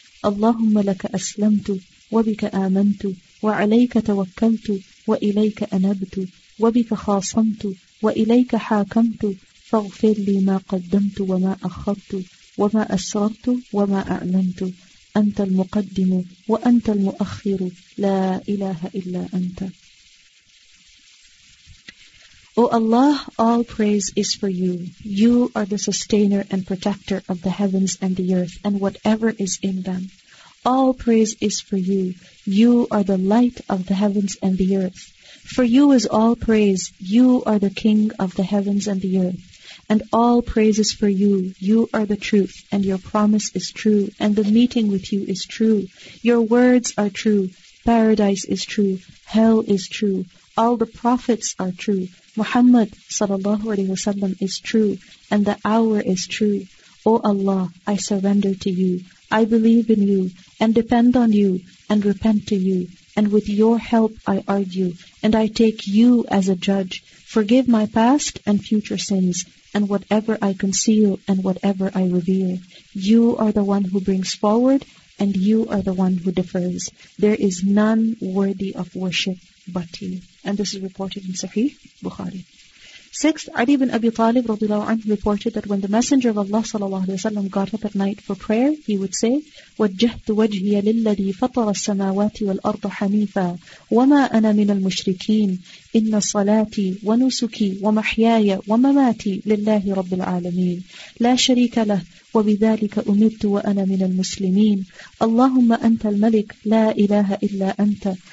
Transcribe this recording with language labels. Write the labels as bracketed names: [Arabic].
[Arabic] اللهم لك أسلمت وبك آمنت وعليك توكلت وإليك أنبت وبك خاصمت وإليك حاكمت فاغفر لي ما قدمت وما أخرت وما أسررت وما أعلنت أنت المقدم وأنت المؤخر لا إله إلا أنت. [English] O Allah, all praise is for you. You are the sustainer and protector of the heavens and the earth and whatever is in them. All praise is for you. You are the light of the heavens and the earth. For you is all praise. You are the king of the heavens and the earth. And all praise is for you. You are the truth, and your promise is true, and the meeting with you is true. Your words are true. Paradise is true. Hell is true. All the prophets are true. Muhammad sallallahu alayhi wa sallam is true, and the hour is true. O Allah, I surrender to you. I believe in you and depend on you and repent to you, and with your help I argue, and I take you as a judge. Forgive my past and future sins, and whatever I conceal and whatever I reveal. You are the one who brings forward, and you are the one who defers. There is none worthy of worship but you. And this is reported in Sahih Bukhari. Sixth, Ali ibn Abi Talib radiallahu anhu reported that when the Messenger of Allah sallallahu alayhi wa sallam got up at night for prayer, he would say, [Arabic] وَجَّهْتُ وَجْهِيَ لِلَّذِي فَطَرَ السَّمَاوَاتِ وَالْأَرْضَ حَنِيفًا وَمَا أَنَا مِنَ الْمُشْرِكِينَ إِنَّ صَلَاتِي وَنُسُكِي وَمَحْيَايَ وَمَمَاتِي لِلَّهِ رَبِّ الْعَالَمِينَ لَا شَرِيكَ لَهُ وَبِذَلِكَ أُمِرْتُ وَأَنَا مِنَ الْمُسْلِمِينَ اللَّهُمَّ أَنْتَ الْمَلِكُ لَا إِلَهَ إِلَّا أَنْتَ